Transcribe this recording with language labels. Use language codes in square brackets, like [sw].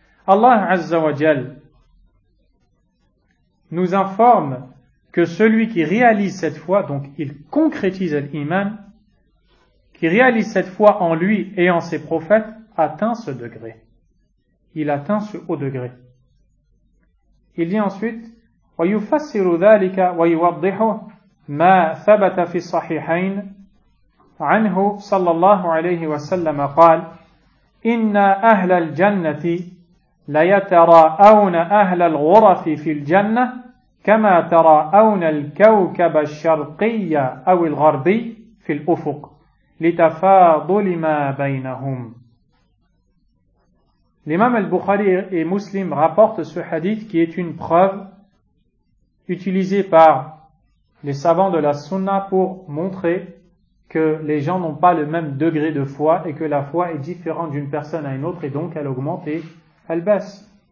[fr] Allah Azza wa Jal nous informe que celui qui réalise cette foi, donc il concrétise l'imam, qui réalise cette foi en lui et en ses prophètes, atteint ce degré. Il atteint ce haut degré. Il dit ensuite, [ar] ويفسر ذلك ويوضح ما ثبت في الصحيحين عنه صلى الله عليه وسلم قال إن أهل الجنة ليتراءون أهل الغرف في الجنة كما تراءون الكوكب الشرقي أو الغربي في الأفق لتفاضل ما بينهم. الإمام البخاري ومسلم [fr] rapporte ce hadith qui est une preuve utilisé par les savants de la sunna pour montrer que les gens n'ont pas le même degré de foi et que la foi est différente d'une personne à une autre et donc elle augmente et elle baisse.